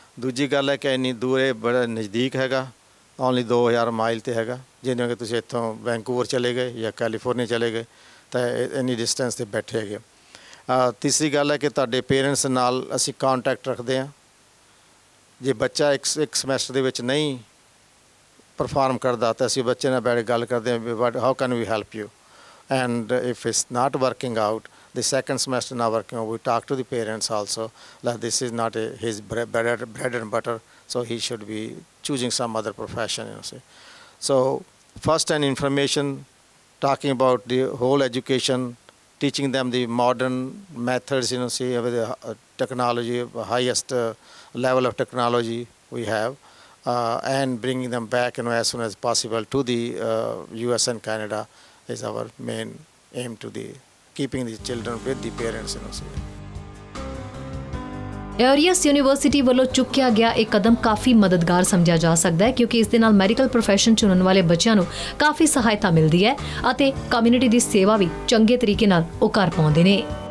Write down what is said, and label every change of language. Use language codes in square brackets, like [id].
[pa] ਦੂਜੀ ਗੱਲ ਹੈ ਕਿ ਇੰਨੀ ਦੂਰ ਇਹ ਬੜਾ ਨਜ਼ਦੀਕ ਹੈਗਾ, ਓਨਲੀ 2000 ਮਾਈਲ 'ਤੇ ਹੈਗਾ, ਜਿਵੇਂ ਕਿ ਤੁਸੀਂ ਇੱਥੋਂ ਵੈਂਕੂਵਰ ਚਲੇ ਗਏ ਜਾਂ ਕੈਲੀਫੋਰਨੀਆ ਚਲੇ ਗਏ ਤਾਂ ਇੰਨੀ ਡਿਸਟੈਂਸ 'ਤੇ ਬੈਠੇ ਹੈਗੇ। ਤੀਸਰੀ ਗੱਲ ਹੈ ਕਿ ਤੁਹਾਡੇ ਪੇਰੈਂਟਸ ਨਾਲ ਅਸੀਂ ਕੰਟੈਕਟ ਰੱਖਦੇ ਹਾਂ, ਜੇ ਬੱਚਾ ਇੱਕ ਸਮੈਸਟਰ ਦੇ ਵਿੱਚ ਨਹੀਂ ਪਰਫਾਰਮ ਕਰਦਾ ਤਾਂ ਅਸੀਂ ਬੱਚੇ ਨਾਲ ਬੈਠ ਗੱਲ ਕਰਦੇ ਹਾਂ ਵੀ [en] But how can we help you, and if it's not working out the second semester now working on, we talk to the parents also that this is not a, his bread and butter, so he should be choosing some other profession, you know. See. So first an information, talking about the whole education, teaching them the modern methods, you know, see, with the technology, highest level of technology we have, and bringing them back, you know, as soon as possible to the US and Canada is our main aim, to the keeping the children with the parents, you know. See. [pa] Aureus University ਵੱਲੋਂ ਚੁੱਕਿਆ ਗਿਆ ਇਹ ਕਦਮ ਕਾਫੀ ਮਦਦਗਾਰ ਸਮਝਿਆ ਜਾ ਸਕਦਾ ਹੈ ਕਿਉਂਕਿ ਇਸ ਦੇ ਨਾਲ ਮੈਡੀਕਲ ਪ੍ਰੋਫੈਸ਼ਨ ਚੁਣਨ ਵਾਲੇ ਬੱਚਿਆਂ ਨੂੰ ਕਾਫੀ ਸਹਾਇਤਾ ਮਿਲਦੀ ਹੈ ਅਤੇ ਕਮਿਊਨਿਟੀ ਦੀ ਸੇਵਾ ਵੀ ਚੰਗੇ ਤਰੀਕੇ ਨਾਲ ਉਹ ਕਰ ਪਾਉਂਦੇ ਨੇ।